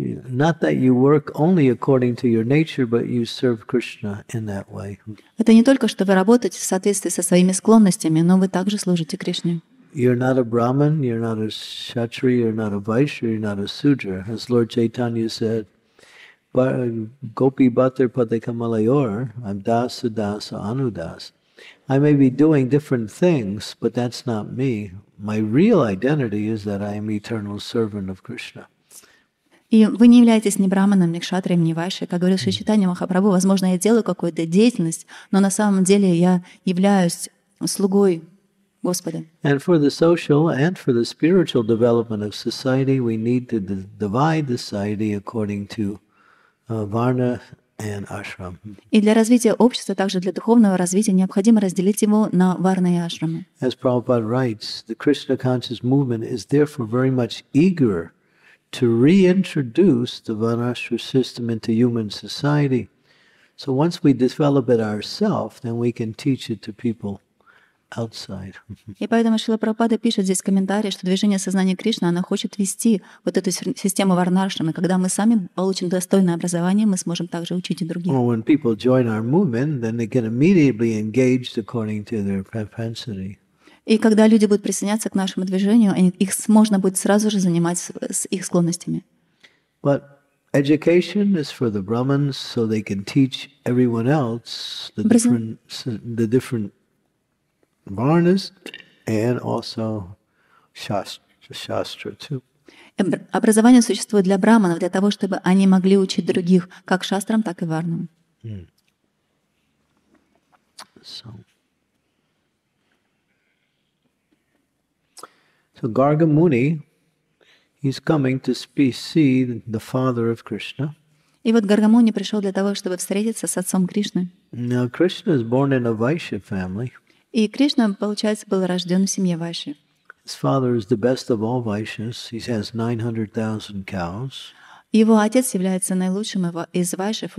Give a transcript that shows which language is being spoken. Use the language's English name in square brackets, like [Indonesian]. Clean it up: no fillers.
[English] Not that you work only according to your nature, but you serve Krishna in that way. [Russian] Это не только что вы работаете в соответствии со своими склонностями, но вы также служите Кришне. [English] You're not a Brahmin, you're not a Kshatriya, you're not a Vaishya, you're not a Sudra. As Lord Chaitanya said, [Sanskrit] Gopi Bhattar Pate Kamalayor, [English] I'm Dasa Dasa Anudas. I may be doing different things, but that's not me. My real identity is that I am eternal servant of Krishna. [Russian] И вы не являетесь ни брахманом, ни кшатрием, ни вайшей. Как говорил Шичитанья Махапрабху, возможно, я делаю какую-то деятельность, но на самом деле я являюсь слугой Господа. [English] And for the social and for the spiritual development of society, we need to divide the society according to varna and ashram. [Russian] И для развития общества, также для духовного развития, необходимо разделить его на варна и ашрамы. [English] As Prabhupada writes, the Krishna conscious movement is therefore very much eager to reintroduce the Vanashra system into human society. So once we develop it ourselves, then we can teach it to people outside. [Russian] И поэтому Шрила Прабхупада пишет здесь в комментарии, что движение сознания Кришны, оно хочет вести вот эту систему варнашрамы. Когда мы сами получим достойное образование, мы сможем также учить и других. [English] Well, when people join our movement, then they get immediately engaged according to their propensity. [Russian] И когда люди будут присоединяться к нашему движению, их можно будет сразу же занимать с их склонностями. [English] But education is for the Brahmins, so they can teach everyone else the different varnas and also shastra too. [Russian] Образование существует для брахманов, для того, чтобы они могли учить других как шастрам, так и варнам. [English] So Garga Muni, he's coming to see the father of Krishna. [Russian] И вот Гарга Муни пришел для того, чтобы встретиться с отцом Кришны. [English] Now Krishna is born in a Vaishya family. [Russian] И Кришна, получается, был рожден в семье Вайши. [English] His father is the best of all Vaishyas. He has 900,000 cows. [Russian] Его отец является наилучшим из Вайшев.